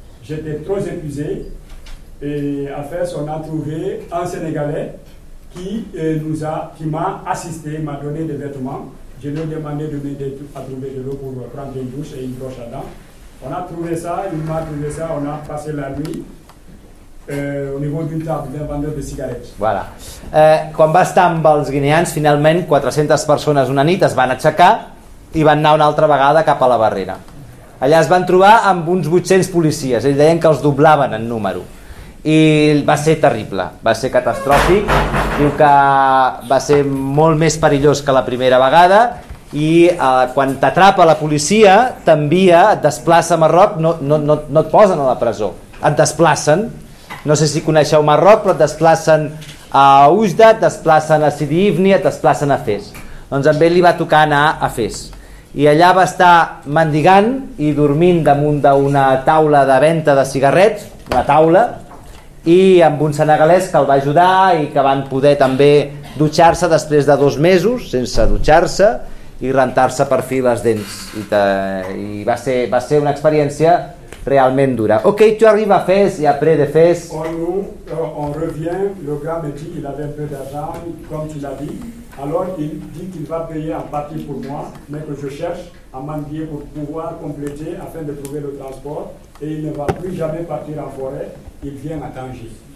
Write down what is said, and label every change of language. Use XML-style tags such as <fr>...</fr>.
<fr>J'étais trop épuisé. Et à Fès, on a trouvé un Sénégalais qui m'a assisté, m'a donné des vêtements. Je lui ai demandé de m'aider à trouver de l'eau pour prendre une douche et une broche à dents. On a trouvé ça, il m'a trouvé ça, on a passé la nuit. Au niveau d'une table d'un vendeur de cigarettes. Voilà.</fr> <ca>Quan va estar amb els guineans, finalment 400 persones una nit es van aixecar i van anar una altra vegada cap a la barrera. Allà es van trobar amb uns 800 policies, ells deien que els doblaven en número. I va ser terrible, va ser catastròfic, diu que va ser molt més perillós que la primera vegada i quan t'atrapa la policia t'envia, et desplaça a Marroc, no et posen a la presó, et desplacen, no sé si coneixeu Marroc, però et desplacen a Oujda, et desplacen a Sidi Ifni, et desplacen a Fes. Doncs a ell li va tocar anar a Fes. I allà va estar mendigant i dormint damunt d'una taula de venda de cigarrets, una taula, i amb un senegalès que el va ajudar i que van poder també dutxar-se després de 2 mesos sense dutxar-se i rentar-se per fi les dents. I va ser una experiència realment dura. Ok, tu arriba a Fes i après de Fes...</ca> <fr>On revient, le gars me dit qu'il avait un peu d'argent, comme tu l'as dit. Alors il dit qu'il va payer en partie pour moi, mais que je cherche à mendier pour pouvoir compléter afin de trouver le transport. Et il ne va plus jamais partir en forêt, il vient à Tanger.</fr>